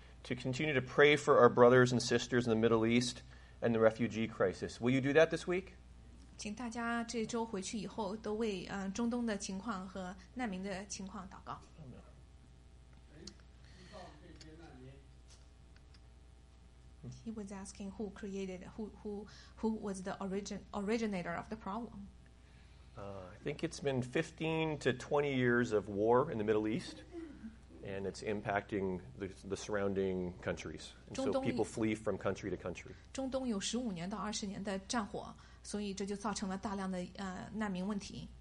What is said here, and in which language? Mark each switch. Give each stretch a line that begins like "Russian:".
English: To continue to pray for our brothers and sisters in the Middle East and the refugee crisis. Will you do that this week?
Chinese: 请大家这周回去以后都为中东的情况和难民的情况祷告。
English: He was asking who created, who was the originator of the problem. I think it's been 15 to 20 years of war in the Middle East. And it's impacting the surrounding countries. And so people flee from country to country.
Chinese: 中东有15年到20年的战火，所以这就造成了大量的难民问题。